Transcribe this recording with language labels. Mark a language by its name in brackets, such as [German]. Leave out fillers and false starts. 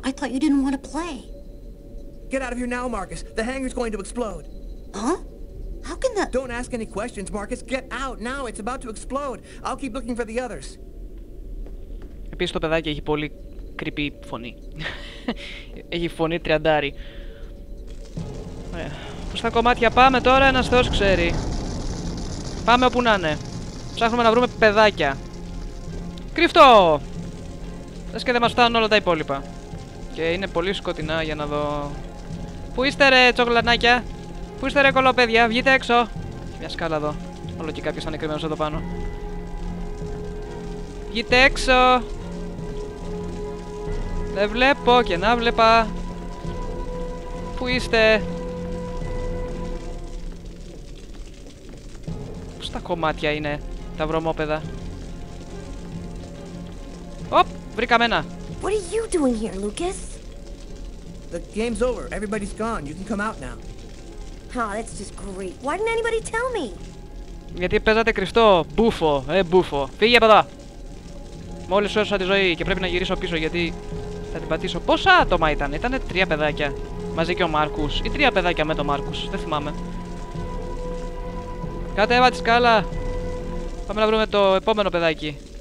[English] I thought you didn't want to play. Get out of here now, Marcus. The hangar's going to explode. Huh? How can that... Don't ask any questions, Marcus. Get out now. It's about to explode. I'll keep looking for the others. [Greek] Επίσης το παιδάκι έχει πολύ creepy φωνή. Έχει φωνή τριαντάρι. Πώς τα κομμάτια πάμε τώρα, ένας θεός ξέρει. Πάμε όπου να είναι. Ψάχνουμε να βρούμε παιδάκια. Κρύφτο! Λες και δεν μας φτάνουν όλα τα υπόλοιπα. Και είναι πολύ σκοτεινά για να δω... Πού είστε ρε τσογλανάκια? Πού είστε ρε κολοπαιδιά, βγείτε έξω! Μια σκάλα εδώ. Όλο και κάποιος θα είναι κρυμμένος εδώ πάνω. Βγείτε έξω! Δεν βλέπω και να βλέπα. Πού είστε? Πώς τα κομμάτια είναι τα βρωμόπεδα? Οπ! Βρήκαμε ένα! [English] What are you doing here, Lucas? The game's over. Everybody's gone. You can come out now. Oh, that's just great. Why didn't anybody tell me? [Greek] Γιατί παίζατε κρυφτό, μπούφο, μπούφο. Φύγε από εδώ! Μόλις σώσα τη ζωή και πρέπει να γυρίσω πίσω γιατί θα την πατήσω. Πόσα άτομα ήταν? Ήτανε τρία παιδάκια μαζί και ο Μάρκους. Ή τρία παιδάκια με τον Μάρκους. Δεν θυμάμαι. Κατέβα τη σκάλα. Πάμε να βρούμε το επόμενο παιδάκι.